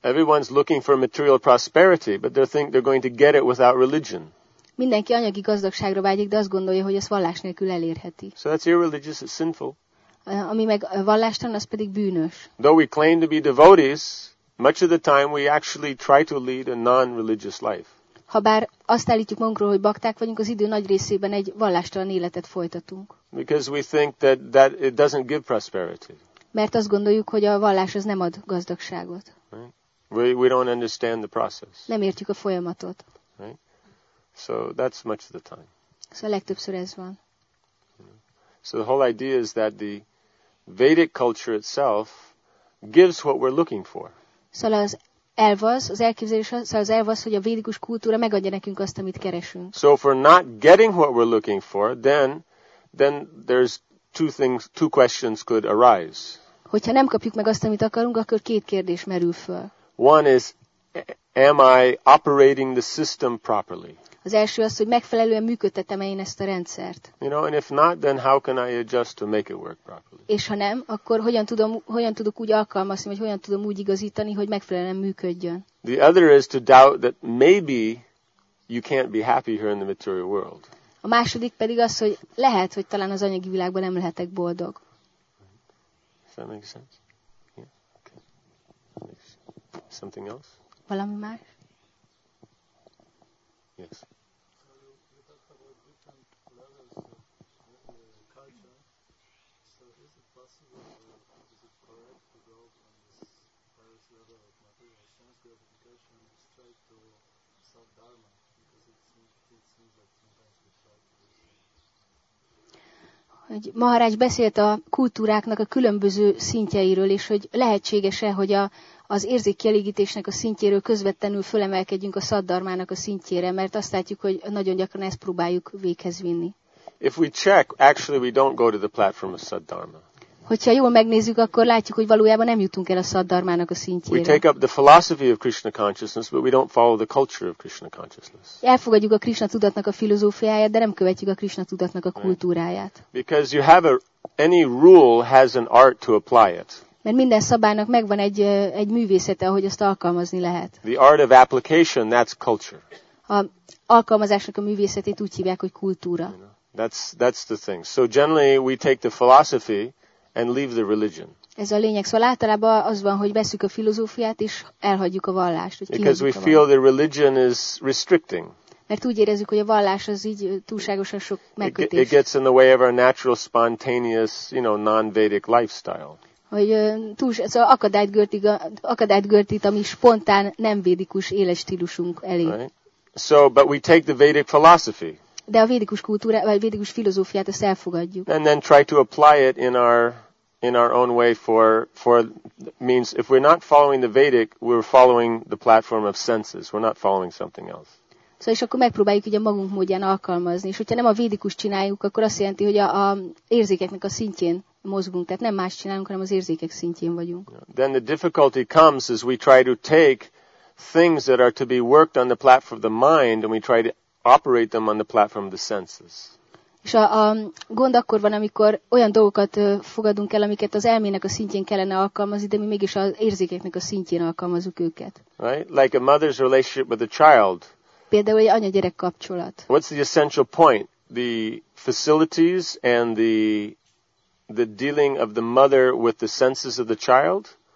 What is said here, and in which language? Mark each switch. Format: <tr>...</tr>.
<en>Everyone's looking for material prosperity, but they think they're going to get it without religion.</en> <hu>Mindenki anyagi gazdagságra vágyik, de azt gondolja, hogy ezt vallás nélkül elérheti.</hu> <en>So that's irreligious, it's sinful.</en> <hu>Ami meg vallástalan, az pedig bűnös.</hu> <en>Though we claim to be devotees, much of the time we actually try to lead a non-religious life.</en> <hu>Ha bár azt állítjuk magunkról, hogy bakták vagyunk, az idő nagy részében egy vallástalan életet folytatunk.</hu> <en>Because we think that it doesn't give prosperity.</en> <hu>Mert azt gondoljuk, hogy a vallás az nem ad gazdagságot.</hu> <en>Right? We don't understand the process.</en> <hu>Nem értjük a folyamatot.</hu> <en>Right? So that's much of the time.</en> <hu>Szóval legtöbbször ez van.</hu> <en>So the whole idea is that the Vedic culture itself gives what we're looking for.</en> <hu>Szóval az elv az, az elképzelés az, szóval az elv az, hogy a védikus kultúra megadja nekünk azt, amit keresünk.</hu> <en>So if we're not getting what we're looking for, then there's two questions could arise.</en> <hu>Hogyha nem kapjuk meg azt, amit akarunk, akkor két kérdés merül föl.</hu> <en>One is, am I operating the system properly?</en> <hu>Az első az, hogy megfelelően működtetem-e én ezt a rendszert.</hu> <en>You know, and if not, then how can I adjust to make it work properly?</en> <hu>És ha nem, akkor hogyan tudok úgy alkalmazni, vagy hogyan tudom úgy igazítani, hogy megfelelően működjön?</hu> <en>The other is to doubt that maybe you can't be happy here in the material world.</en> <hu>A második pedig az, hogy lehet, hogy talán az anyagi világban nem lehetek boldog.</hu> <en>Does that make sense? Yeah. Okay. Something else?</en> <hu>Valami más? Hogy Maharaj beszélt a kultúráknak a különböző szintjeiről, és hogy lehetséges-e, hogy az érzékkielégítésnek a szintjéről közvetlenül fölemelkedjünk a szaddarmának a szintjére, mert azt látjuk, hogy nagyon gyakran ezt próbáljuk véghez vinni.</hu> <en>If we check, actually we don't go to the platform of Saddharma.</en> <hu>Hogyha jól megnézzük, akkor látjuk, hogy valójában nem jutunk el a szaddarmának a szintjére.</hu> <en>We take up the philosophy of Krishna consciousness, but we don't follow the culture of Krishna consciousness.</en> <hu>Elfogadjuk a Krishna tudatnak a filozófiáját, de nem követjük a Krishna tudatnak a kultúráját.</hu> <en>Because you have any rule has an art to apply it.</en> <hu>Mert minden szabálynak megvan egy művészete, ahogy azt alkalmazni lehet.</hu> <en>The art of application, that's culture.</en> <hu>A alkalmazásnak a művészetét úgy hívják, hogy kultúra.</hu> <en>That's the thing. So generally we take the philosophy and leave the religion.</en> <hu>Ez a lényeg. Szóval általában az van, hogy veszük a filozófiát és elhagyjuk a vallást.</hu> <en>Because we feel the religion is restricting.</en> <hu>Mert úgy érezzük, hogy a vallás az így túlságosan sok megkötés.</hu> <en>It gets in the way of our natural, spontaneous, you know, non-Vedic lifestyle.</en> <hu>Hogy szóval akadályt görtít, ami spontán nem védikus életstílusunk elé.</hu> <en>Right? So, but we take the Vedic philosophy.</en> <hu>De a védikus kultúra, vagy védikus filozófiát ezt elfogadjuk.</hu> <en>And then try to apply it in our own way for means if we're not following the Vedic, we're following the platform of senses. We're not following something else.</en> <hu>Szóval és akkor megpróbáljuk ugye magunk módján alkalmazni. És hogyha nem a védikus csináljuk, akkor azt jelenti, hogy a érzékeknek a szintjén mozgunk. Tehát nem más csinálunk, hanem az érzékek szintjén vagyunk.</hu> <en>Then the difficulty comes as we try to take things that are to be worked on the platform of the mind and we try to operate them on the platform of the senses.</en> <hu>És a gond akkor van, amikor olyan dolgokat fogadunk el, amiket az elmének a szintjén kellene alkalmazni, de mi mégis az érzékeknek a szintjén alkalmazunk őket.</hu> <en>Right? Like a mother's relationship with a child.</en> <hu>Például egy anya-gyerek kapcsolat.</hu> <en>What's the essential point? The facilities and the dealing of the mother with the senses of the child?</en>